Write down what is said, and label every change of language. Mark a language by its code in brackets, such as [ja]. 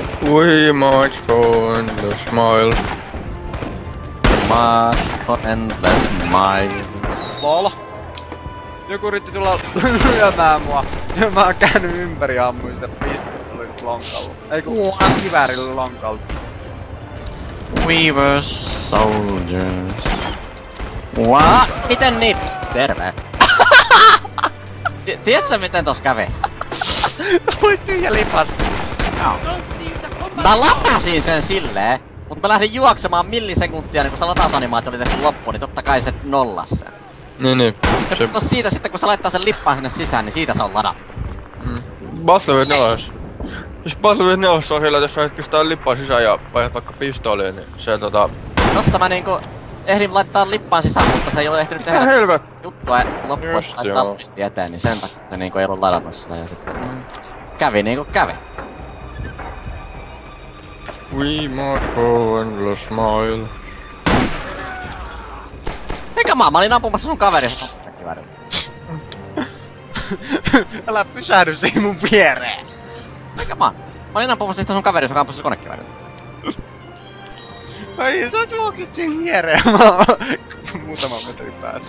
[en] We march for endless miles. March for endless miles. Lol. [fi] Joku yritti tulla lyömään mua. Ja mä oon käänny ympäri ammuin sitä pistolin lonkalla. Ei ku kiväärillä lonkalla. [en] We were soldiers. What? [fi] Miten niin? Terve. Tiedät sä miten tossa kävi? Oli tyhjä lipas. No. Mä latasin sen silleen, mut mä lähdin juoksemaan millisekuntia, niin kun se latausanimaatio oli tehty loppuun, niin totta kai se nollas sen. Niin, niin. Se on siitä sitten, kun sä laittaa sen lippaan sinne sisään, niin siitä se on ladattu. Battlefield 4. Siis Battlefield 4 on sillä, että jos sä pistää lippaan sisään ja vaihdat vaikka pistoliin, niin se tota... Tossa mä niinku ehdin laittaa lippaan sisään, mutta se ei ole ehtinyt tehdä helvet juttua loppuun, laittaa pisti eteen, niin sen takia se niinku ei ollu ladannut sitä ja sitten... kävi niinku kävi. [en] We march for endless smile. [fi] Eikä mä olin ampumassa sun kaveri. Älä pysähdy siihen mun viereen. Eikä mä olin ampumassa sitä sun kaveri, joka ampumassa konekiväriä. Ei, sä juokit siihen viereen. Mä muutaman metrin päässä.